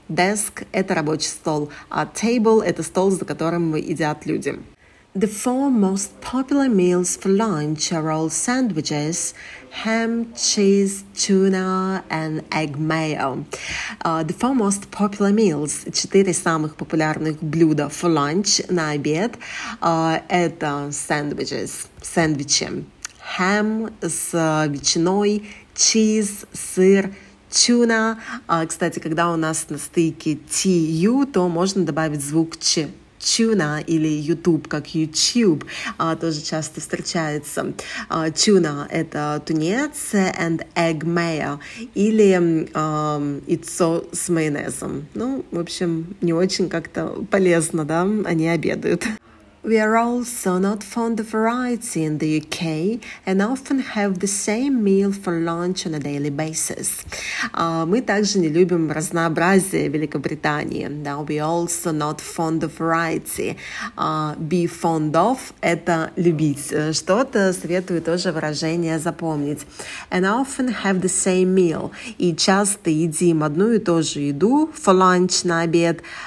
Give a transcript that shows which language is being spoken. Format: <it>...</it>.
<ru>Desk — это рабочий стол, а table — это стол, за которым едят люди.</ru> <en>The four most popular meals for lunch are all sandwiches, ham, cheese, tuna, and egg mayo. The four most popular meals,</en> <ru>четыре самых популярных блюда</ru> <en>for lunch,</en> <ru>на обед, это sandwiches, сэндвичи, ham с ветчиной, cheese, сыр, tuna. Кстати, когда у нас на стыке T-U, то можно добавить звук «ч». Tuna или YouTube, как YouTube, тоже часто встречается. Tuna — это тунец,</ru> <en>and egg mayo,</en> <ru>или яйцо с майонезом. Ну, в общем, не очень как-то полезно, да, они обедают.</ru> <en>We are also not fond of variety in the UK and often have the same meal for lunch on a daily basis.</en> <ru>Мы также не любим разнообразие в Великобритании. Да,</ru> <en>we also not fond of variety. Be fond of</en> <ru>– это любить. Что-то советую тоже выражение запомнить.</ru> <en>And often have the same meal.</en> <ru>И часто едим одну и ту же еду</ru> <en>for lunch</en> <ru>– на обед.</ru>